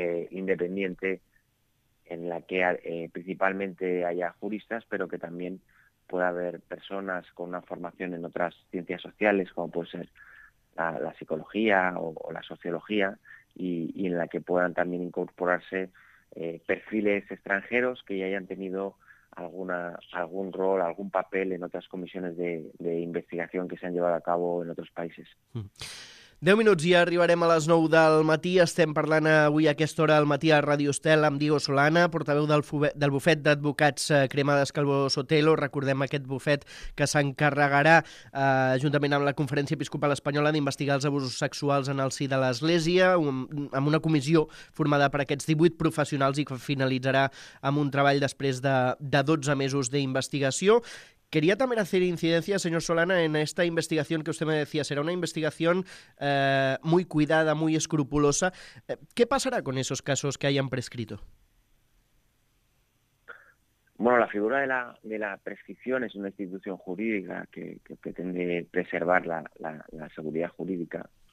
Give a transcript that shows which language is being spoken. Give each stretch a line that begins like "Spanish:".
Spanish: independiente en la que principalmente haya juristas, pero que también pueda haber personas con una formación en otras ciencias sociales, como puede ser la psicología o la sociología, y en la que puedan también incorporarse perfiles extranjeros que ya hayan tenido algún rol, algún papel en otras comisiones de investigación que se han llevado a cabo en otros países.
Catalan: 10 minuts i ja arribarem a les 9 del matí. Estem parlant avui a aquesta hora al matí a Ràdio Estel amb Diego Solana, portaveu del bufet d'advocats Cremades Calvo Sotelo. Recordem aquest bufet que s'encarregarà, juntament amb la Conferència Episcopal Espanyola, d'investigar els abusos sexuals en el si de l'Església, amb una comissió formada per aquests 18 professionals i que finalitzarà amb un treball després de 12 mesos d'investigació.
Spanish: Quería también hacer incidencia, señor Solana, en esta investigación que usted me decía. Será una investigación muy cuidada, muy escrupulosa. ¿Qué pasará con esos casos que hayan prescrito? Bueno, la figura de la prescripción es una institución jurídica que pretende preservar la seguridad jurídica.